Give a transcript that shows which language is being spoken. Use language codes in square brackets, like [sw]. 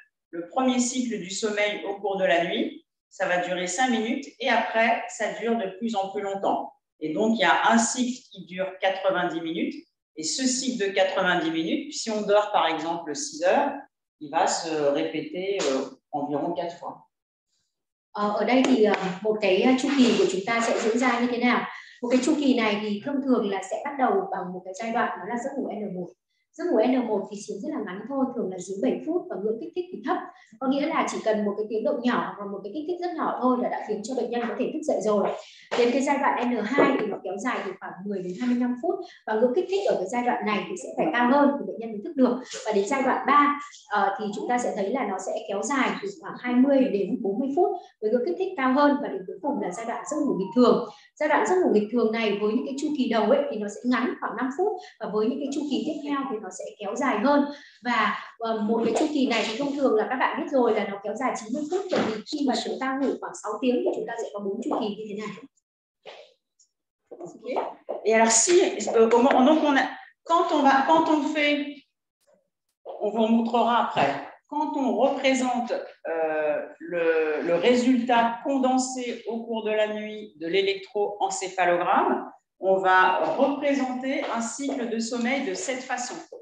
[fr] Le premier cycle du sommeil au cours de la nuit, ça va durer 5 minutes et après, ça dure de plus en plus longtemps. Et donc, il y a un cycle qui dure 90 minutes. Et ce cycle de 90 minutes, si on dort par exemple 6 heures, il va se répéter environ 4 fois. [vi] Ở đây thì một cái chu kỳ của chúng ta sẽ diễn ra như thế nào? Một cái chu kỳ này thì thông thường là sẽ bắt đầu bằng một cái giai đoạn đó là giấc ngủ N1. giấc ngủ N1 thì chiếm rất là ngắn thôi, thường là dưới 7 phút và ngưỡng kích thích thì thấp. Có nghĩa là chỉ cần một cái tiếng động nhỏ và một cái kích thích rất nhỏ thôi là đã khiến cho bệnh nhân có thể thức dậy rồi. Đến cái giai đoạn N2 thì nó kéo dài từ khoảng 10 đến 25 phút và ngưỡng kích thích ở cái giai đoạn này thì sẽ phải cao hơn thì bệnh nhân mới thức được. Và đến giai đoạn 3 thì chúng ta sẽ thấy là nó sẽ kéo dài từ khoảng 20 đến 40 phút với ngưỡng kích thích cao hơn và đến cuối cùng là giai đoạn giấc ngủ bình thường. Giai đoạn giấc ngủ bình thường này với những cái chu kỳ đầu ấy thì nó sẽ ngắn khoảng 5 phút và với những cái chu kỳ tiếp theo thì nó sẽ kéo dài hơn. Và một cái chu kỳ này thì thông thường là các bạn biết rồi là nó kéo dài 90 phút, bởi vì khi mà chúng ta ngủ khoảng 6 tiếng thì chúng ta sẽ có 4 chu kỳ như thế này. Okay. [fr] Et alors si donc on a on vous montrera après. Quand on représente le résultat condensé au cours de la nuit de l'électroencéphalogramme, on va représenter un cycle de sommeil de cette façon.